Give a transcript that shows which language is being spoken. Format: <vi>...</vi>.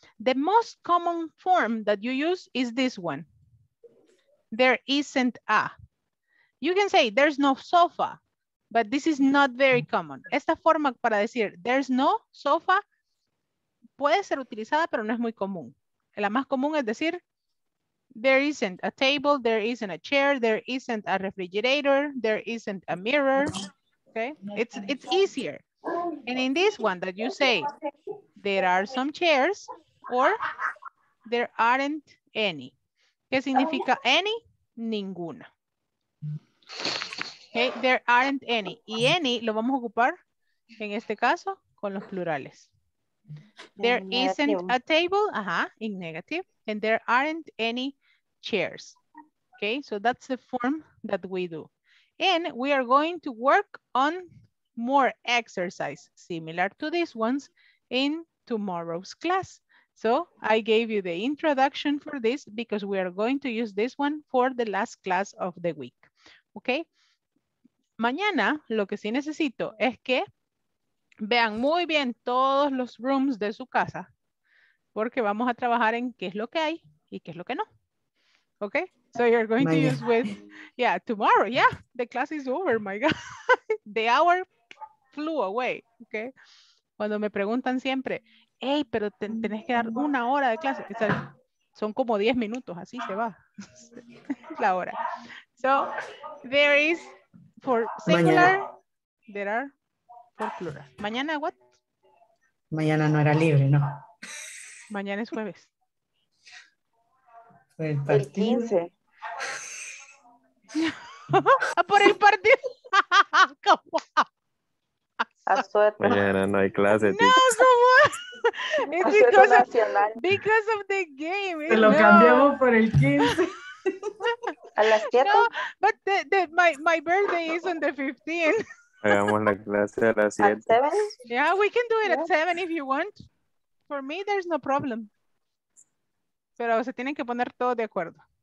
<en>The most common form that you use is this one. There isn't a. You can say there's no sofa, but this is not very common.</en> <es>Esta forma para decir</es> <en>there's no sofa</en> <es>puede ser utilizada, pero no es muy común. La más común es decir</es> <en>there isn't a table, there isn't a chair, there isn't a refrigerator, there isn't a mirror. Okay, it's easier. And in this one that you say there are some chairs or there aren't any.</en> <es>¿Qué significa</es> <en>any?</en> <es>Ninguna.</es> <en>Okay, there aren't any.</en> <es>Y any lo vamos a ocupar en este caso con los plurales.</es> <en>There isn't a table, ajá, in negative, and there aren't any chairs. Okay, so that's the form that we do. And we are going to work on more exercise similar to these ones in tomorrow's class. So I gave you the introduction for this because we are going to use this one for the last class of the week. Okay.</en> <es>Mañana lo que sí necesito es que vean muy bien todos los rooms de su casa porque vamos a trabajar en qué es lo que hay y qué es lo que no.</es> <en>Okay. So you're going to use with, yeah, tomorrow. Yeah. The class is over. My God. The hour flew away. Okay.</en> <es>Cuando me preguntan siempre, hey, pero tenés que dar una hora de clase. O sea, son como 10 minutos, así se va la hora.</es> <en>So, there is for singular,</en> <es>mañana.</es> <en>There are for plural.</en> <es>Mañana,</es> <en>what?</en> <es>Mañana no era libre, no. Mañana es jueves. El partido. El 15. Por el partido. ¿Cómo? Mañana no hay clase. No, ¿cómo?</es> <en>It's because of the game.</en> <es>Se lo cambiamos por el 15. A las 7.</es> <en>No, but my birthday is on the 15th.</en> <es>Hagamos la clase a las 7.</es> <en>Yeah, we can do it at 7 if you want. For me, there's no problem.</en> <es>Pero se tienen que poner todos de acuerdo.</es>